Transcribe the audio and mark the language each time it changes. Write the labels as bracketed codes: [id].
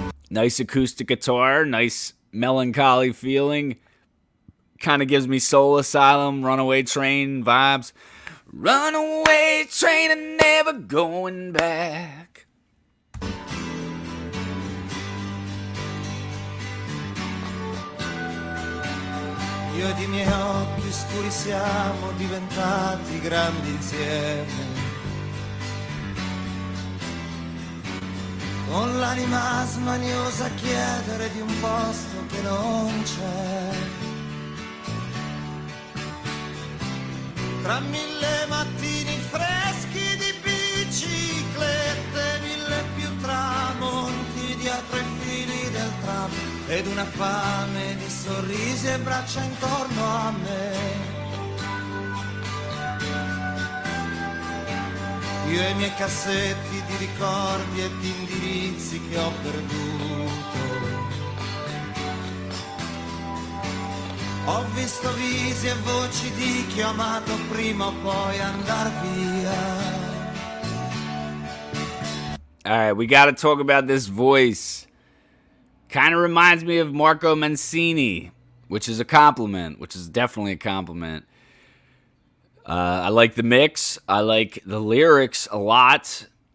[en] Nice acoustic guitar, nice melancholy feeling. Kind of gives me Soul Asylum, Runaway Train vibes. Runaway train and never going back. [it] Io ed i miei occhi scuri siamo diventati grandi insieme. Con l'anima smaniosa a chiedere di un posto che non c'è. Tra mille mattini freschi di biciclette, mille più tramonti dietro i fili del tram, ed una fame di sorrisi e braccia intorno a me. Io e i miei cassetti di ricordi e di indirizzi che ho perduto. Ho visto visi e voci di chi ho amato prima o poi andar via. [en] All right, we gotta talk about this voice. Kind of reminds me of Marco Mancini, which is a compliment, which is definitely a compliment. I like the mix. I like the lyrics a lot.